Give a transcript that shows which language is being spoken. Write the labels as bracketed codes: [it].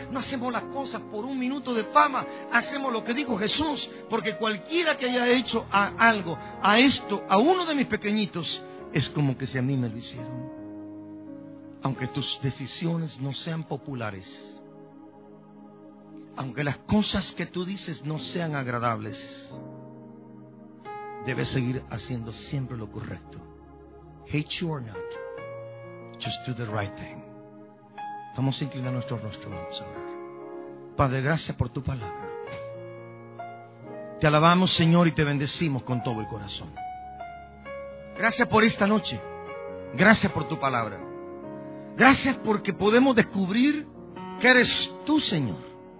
[es] No hacemos las cosas por un minuto de fama. Hacemos lo que dijo Jesús, porque cualquiera que haya hecho a uno de mis pequeñitos, es como que si a mí me lo hicieron. Aunque tus decisiones no sean populares, aunque las cosas que tú dices no sean agradables, debes seguir haciendo siempre lo correcto. [en] Hate you or not, just do the right thing. [es] Vamos a inclinar nuestro rostro, vamos a orar. Padre, gracias por tu palabra. Te alabamos, Señor, y te bendecimos con todo el corazón. Gracias por esta noche. Gracias por tu palabra. Gracias porque podemos descubrir que eres tú, Señor.